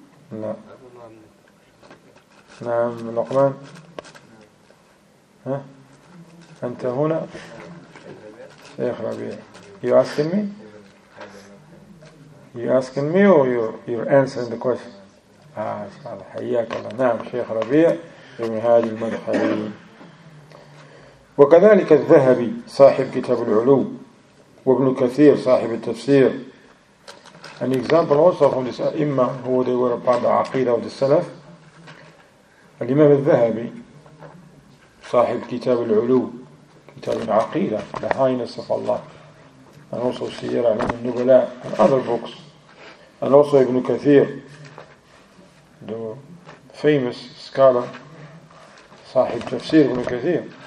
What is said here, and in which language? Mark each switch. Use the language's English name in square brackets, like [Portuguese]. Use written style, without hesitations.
[English] No. Naam, Luqman. Huh? [Arabic] Anta huna? [English] Shaykh Rabi'a. You asking me? You asking me, or you're answering the question? [Arabic] حياك الله نعم شيخ ربيع ابن هادي المدخلي وكذلك الذهبي صاحب كتاب العلو وابن كثير صاحب التفسير. [English] An example also from this أئمة who they were upon the عقيدة of the [Arabic] سلف الإمام الذهبي صاحب كتاب العلو كتاب العقيدة [English] The Highness of Allah and also [Arabic] سيرة علم النبلاء [English] and other books and also ابن كثير the famous scholar [Arabic] صاحب تفسير ابن كثير